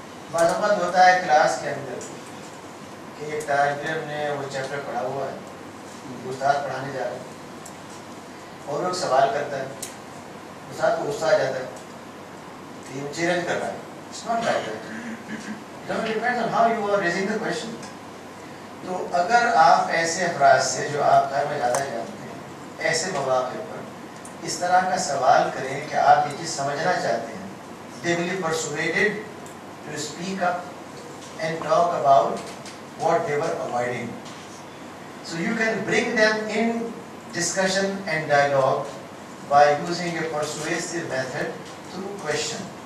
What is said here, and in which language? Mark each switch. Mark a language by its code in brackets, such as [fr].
[ur] بعض اوقات ہوتا ہے کلاس کے اندر کہ ایک طالب نے وہ چیپٹر پڑھا ہوا ہے، استاد پڑھانے جا رہا ہے اور وہ سوال کرتا ہے، استاد کو غصہ آ جاتا ہے کہ وہ چیلنج کر رہا ہے. [en] It's not like that. It depends on how you are raising the question. [ur] تو اگر آپ ایسے افراد سے جو آپ گھر میں زیادہ جانتے ہیں ایسے مواقع پر اس طرح کا سوال کریں کہ آپ یہ چیز سمجھنا چاہتے ہیں، [en] They will be persuaded to speak up and talk about what they were avoiding, so you can bring them in discussion and dialogue by using a persuasive method through question.